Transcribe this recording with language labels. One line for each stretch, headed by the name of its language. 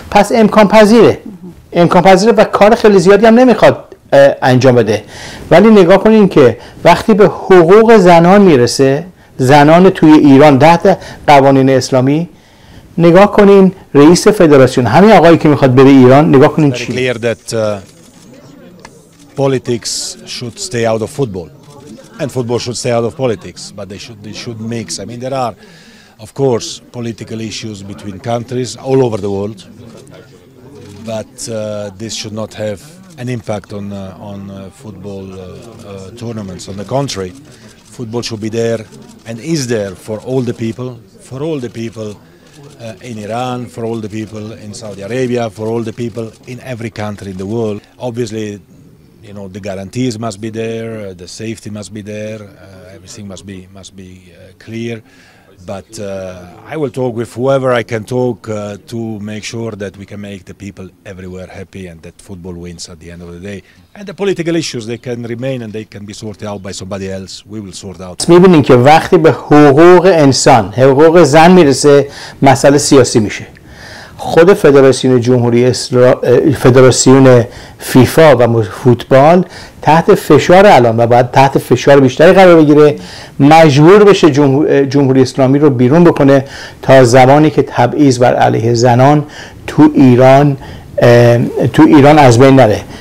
Persian: پس امکان پذیره، امکان پذیره و کار خیلی زیادی هم نمیخواد انجام بده. ولی نگاه کنین که وقتی به حقوق زنان میرسه، زنان توی ایران تحت قوانین اسلامی، نگاه کنین رئیس فدراسیون همین آقایی که میخواد بره ایران، نگاه کنین چی
English: clear that politics should stay out of football and football should stay out of politics, but they should mix. I mean there are of course political issues between countries all over the world, but this should not have an impact on football tournaments. On the contrary, football should be there and is there for all the people, for all the people in Iran, for all the people in Saudi Arabia, for all the people in every country in the world. Obviously, you know, the guarantees must be there, the safety must be there, everything must be clear. But I will talk with whoever I can talk to make sure that we can make the people everywhere happy and that football wins at the end of the day. And the political issues, they can remain and they can be sorted out by somebody else. We will sort out.
Persian: می‌بینین که وقتی به حقوق انسان، حقوق زن میرسه، مسئله سیاسی میشه. خود فدراسیون جمهوری اسلامی، فدراسیون فیفا و فوتبال تحت فشار الان و بعد تحت فشار بیشتری قرار بگیره، مجبور بشه جمهوری اسلامی رو بیرون بکنه تا زمانی که تبعیض بر علیه زنان تو ایران از بین نره.